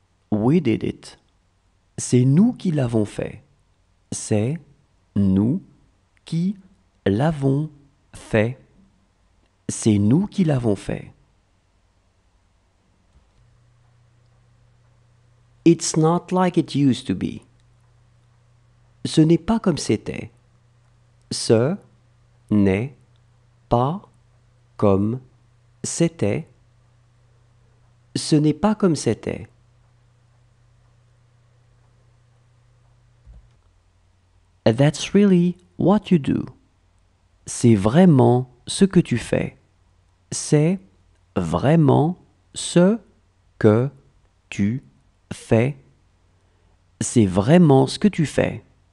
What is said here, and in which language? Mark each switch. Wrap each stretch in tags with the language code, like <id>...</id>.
<en>We did it.</en> <fr>C'est nous qui l'avons fait. C'est nous qui l'avons fait. C'est nous qui l'avons fait.</fr> <en>It's not like it used to be.</en> <fr>Ce n'est pas comme c'était. Ce n'est pas comme c'était. Ce n'est pas comme c'était.</fr> <en>That's really what you do.</en> <fr>C'est vraiment ce que tu fais. C'est vraiment ce que tu fais. C'est vraiment ce que tu fais.</fr>